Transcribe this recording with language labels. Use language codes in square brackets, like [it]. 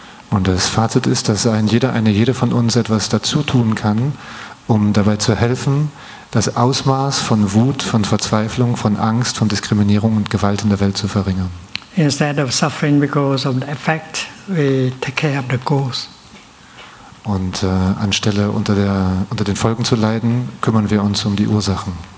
[de] Und das Fazit ist, dass jede von uns etwas dazu tun kann, um dabei zu helfen, das Ausmaß von Wut, von Verzweiflung, von Angst, von Diskriminierung und Gewalt in der Welt zu verringern. [en] Instead of suffering because of the effect, we take care of the cause. [de] Und anstelle unter den Folgen zu leiden, kümmern wir uns um die Ursachen.